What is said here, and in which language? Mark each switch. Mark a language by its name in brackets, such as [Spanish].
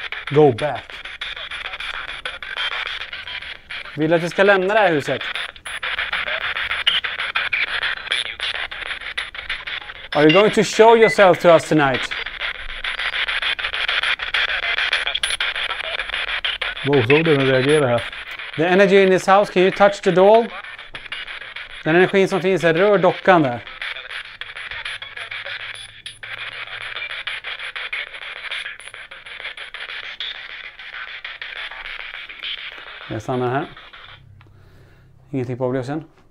[English] Go back. [Swedish] Vill att du ska lämna det här huset? [English] Are you going to show yourself to us tonight? [Swedish] Wow, såg du hur den reagerar här? [English] The energy in this house, can you touch the doll? [Swedish] Den energin som finns här, rör dockan där. Jag stannar här. Ingenting på avlösen.